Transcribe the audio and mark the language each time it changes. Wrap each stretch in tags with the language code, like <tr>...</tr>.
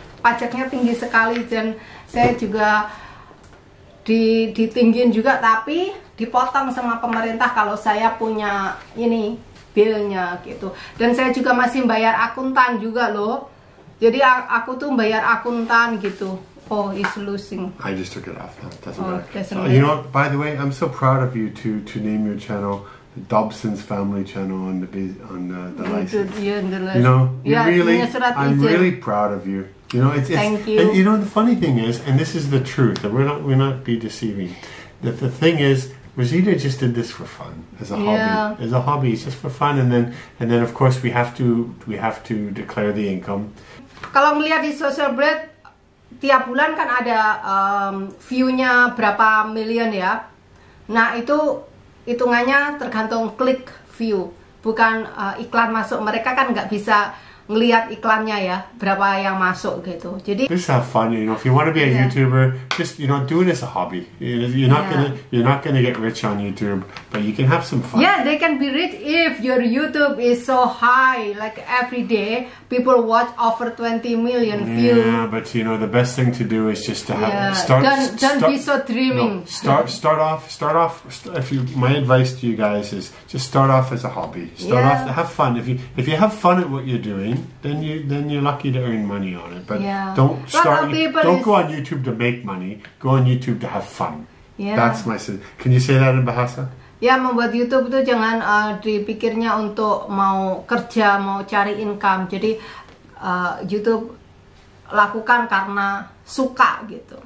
<id>Pajaknya tinggi sekali, dan saya juga ditinggin juga, tapi dipotong sama pemerintah kalau saya punya ini bill-nya gitu. Dan saya juga masih bayar akuntan juga loh. Jadi aku tuh bayar akuntan gitu.</id> <en>Oh, it's losing. I just took it off. That doesn't matter. You know, by the way, I'm so proud of you to name your channel the Dobson's Family Channel on the license. Yeah, you know, I'm really proud of you. You know, thank you. And you know, the funny thing is, and this is the truth, that we're not be deceiving. That the thing is, Rosita just did this for fun, as a hobby. It's just for fun, and then of course we have to declare the income.</en> <id>Kalau melihat di social bread, tiap bulan kan ada view-nya berapa million ya. Nah itu hitungannya tergantung klik view, bukan iklan masuk. Mereka kan nggak bisa ngelihat iklannya ya, berapa yang masuk gitu. Jadi</id> <en>just have fun, you know. If you want to be a YouTuber, just, you know, do it as a hobby. You're not gonna get rich on YouTube, but you can have some fun. Yeah, they can be rich if your YouTube is so high, like every day people watch over 20 million views. Yeah, but you know the best thing to do is just to have don't be so dreaming. No, start off. My advice to you guys is just start off as a hobby. Start off, have fun. If you have fun at what you're doing, then you're lucky to earn money on it. But don't go on YouTube to make money. Go on YouTube to have fun. Yeah. That's my sense. Can you say that in Bahasa?</en> <id>Yeah, membuat YouTube itu jangan dipikirnya untuk mau kerja, mau cari income. Jadi YouTube lakukan karena suka gitu.</id>